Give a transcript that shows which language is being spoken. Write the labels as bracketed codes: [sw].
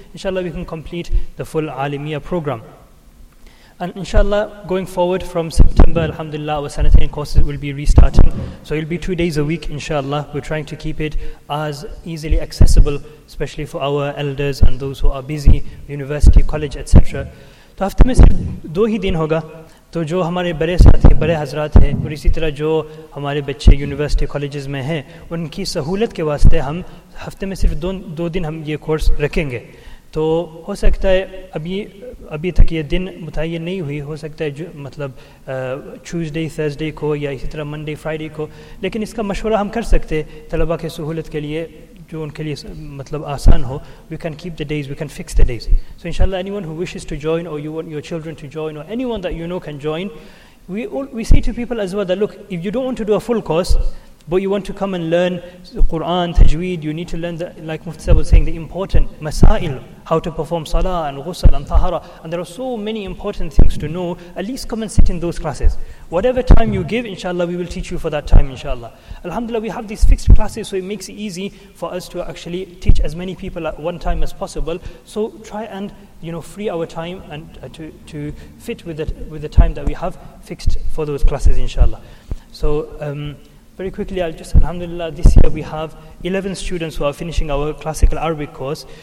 [en] Inshallah, we can complete the full alimiya program. And inshallah, going forward from September, alhamdulillah, our sanitarian courses will be restarting. So it'll be 2 days a week, inshallah. We're trying to keep it as easily accessible, especially for our elders and those who are busy, university, college, etc. So after this, two days, [hi] तो जो हमारे बड़े साथी बड़े हजरत हैं और इसी तरह जो हमारे बच्चे यूनिवर्सिटी कॉलेजेस में हैं उनकी सहूलत के वास्ते हम हफ्ते में सिर्फ दो दिन हम ये कोर्स रखेंगे तो हो सकता है अभी तक ये दिन मुतय्यन नहीं हुई हो सकता है जो मतलब ट्यूसडे थर्सडे को या इसी तरह मंडे फ्राइडे को लेकिन इसका मशवरा हम कर सकते हैं तलबा के सहूलत के लिए जो उनके लिए मतलब आसान हो [en] We can keep the days we can fix the days so इंशाल्लाह anyone who wishes to join or you want your children to join or anyone that you know can join we see two people as well that look if you don't want to do a full course but you want to come and learn Quran तजवीद you need to learn the like मुफ्ती साहब was saying the important मसाइल how to perform सलाह and गुस्ल and तहारा and there are so many important things to know at least come and sit in those classes Whatever time you give, inshallah, we will teach you for that time, inshallah. Alhamdulillah, we have these fixed classes, so it makes it easy for us to actually teach as many people at one time as possible. So try and, free our time and to fit with the time that we have fixed for those classes, inshallah. So very quickly, I'll just, alhamdulillah, this year we have 11 students who are finishing our classical Arabic course.